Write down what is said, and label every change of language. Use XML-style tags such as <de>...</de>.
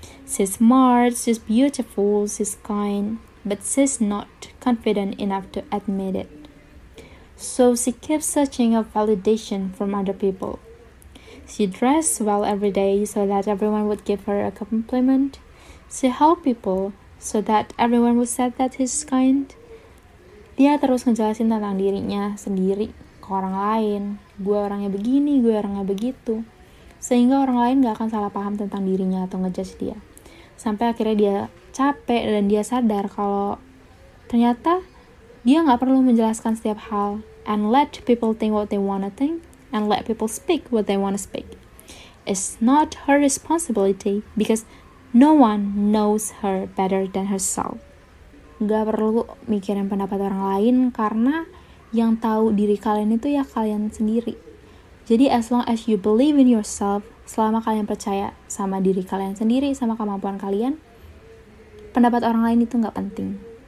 <en>She's smart, she's beautiful, she's kind, but she's not confident enough to admit it. So she keeps searching for validation from other people. She dresses well every day so that everyone would give her a compliment. She helps people so that everyone would say that she's kind.</en> <id>Dia terus ngejelasin tentang dirinya sendiri ke orang lain. Gue orangnya begini, gue orangnya begitu. Sehingga orang lain gak akan salah paham tentang dirinya atau ngejudge dia. Sampai akhirnya dia capek dan dia sadar kalau ternyata dia gak perlu menjelaskan setiap hal.</id> <en>And let people think what they wanna think. And let people speak what they wanna speak. It's not her responsibility because no one knows her better than herself.</en> <id>Gak perlu mikirin pendapat orang lain karena yang tahu diri kalian itu ya kalian sendiri. Jadi</id> <en>as long as you believe in yourself,</en> <id>selama kalian percaya sama diri kalian sendiri, sama kemampuan kalian, pendapat orang lain itu gak penting.</id>